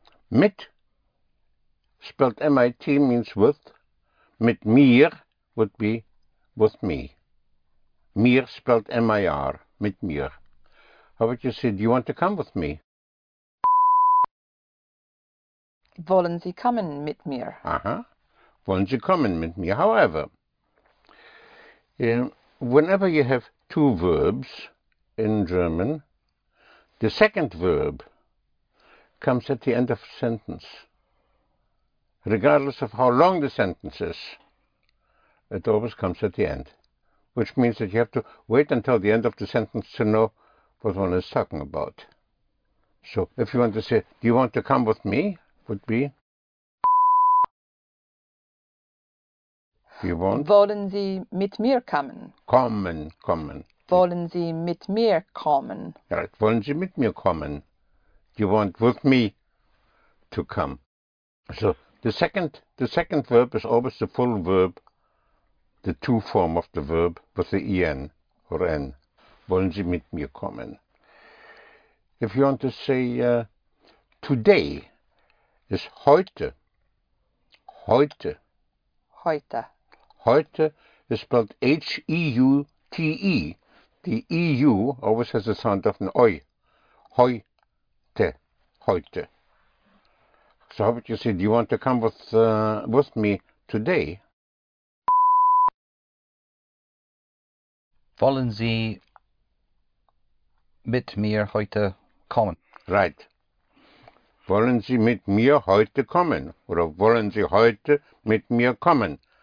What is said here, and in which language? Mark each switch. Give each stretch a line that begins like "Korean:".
English: Mit, spelled M-I-T, means with. Mit mir would be with me. Mir spelled M-I-R, mit mir. How would you say, do you want to come with me?
German: Wollen Sie kommen mit mir? Uh-huh. Wollen Sie kommen mit mir?
English: However, whenever you have two verbs in German, the second verb comes at the end of a sentence. Regardless of how long the sentence is, it always comes at the end. Which means that you have to wait until the end of the sentence to know what one is talking about. So if you want to say, do you want to come with me? Would be? You want?
German: Wollen Sie mit mir kommen? Kommen, kommen. Wollen Sie mit mir kommen?
English: Right.
German: Wollen Sie mit mir kommen?
English: You want with me to come. So the second verb is always the full verb, the two form of the verb with the en or n.
German: Wollen Sie mit mir kommen?
English: If you want to say today is heute.
German: Heute. Heute.
English: Heute is spelled H-E-U-T-E. The E-U always has the sound of an oi. Heute. Heute. So how would you say, do you want to come with me today?
German: Wollen Sie mit mir heute kommen?
English: Right.
German: Wollen Sie mit mir heute kommen? Or wollen Sie heute mit mir kommen?